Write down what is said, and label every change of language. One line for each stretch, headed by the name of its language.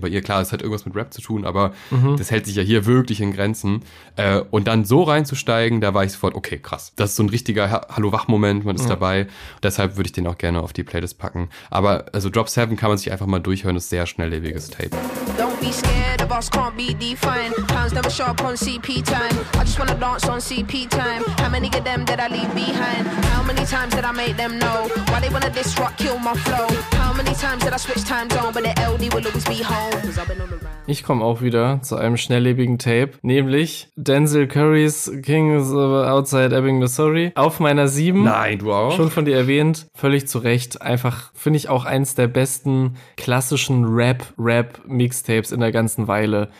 German: Bei ihr, klar, es hat irgendwas mit Rap zu tun, aber das hält sich ja hier wirklich in Grenzen. Und dann so reinzusteigen, da war ich sofort, okay, krass. Das ist so ein richtiger Hallo-Wach-Moment, man ist dabei. Deshalb würde ich den auch gerne auf die Playlist packen. Aber also Drop 7 kann man sich einfach mal durchhören, ist sehr schnelllebiges Tape.
English: Don't be scared, the boss can't be defined. Pounds never show up on CP time. I just wanna dance on CP time. How many of them did I leave behind? How many times did I make them know? Why they wanna disrupt, kill my flow? How many times did I switch time zone? But the LD will always be home.
German: Ich komme auch wieder zu einem schnelllebigen Tape, nämlich Denzel Curry's Kings Outside Ebbing, Missouri. Auf meiner 7. Nein, du auch. Schon von dir erwähnt, völlig zu Recht. Einfach, finde ich, auch eins der besten klassischen Rap-Mixtapes in der ganzen Weile.